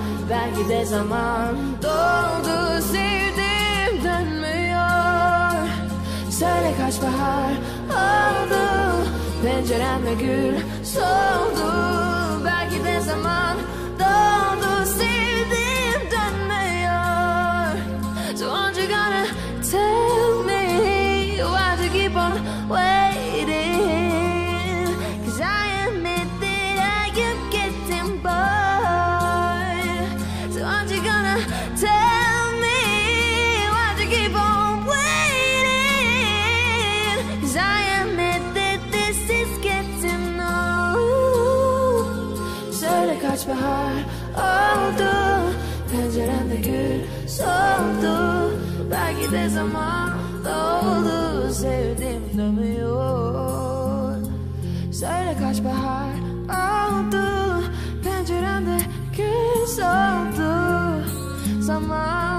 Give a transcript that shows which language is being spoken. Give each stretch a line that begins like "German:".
Turkish: Belki de zaman doldu, sevdiğim dönmüyor. Seni kaç bahar oldu, penceremde gül soldu. Belki de zaman doldu, sevdiğim dönmüyor.
English: So aren't you gonna tell me why'd you keep on waiting? 'Cause I admit that I am getting bored. So aren't you gonna tell me why'd you keep on waiting? 'Cause I admit that this is getting old.
Turkish: Söyle kaç bahar oldu, penceremde gül soldu. Belki de zaman doldu, sevdim dönmüyor. Söyle kaç bahar oldu, penceremde gül soldu. Zaman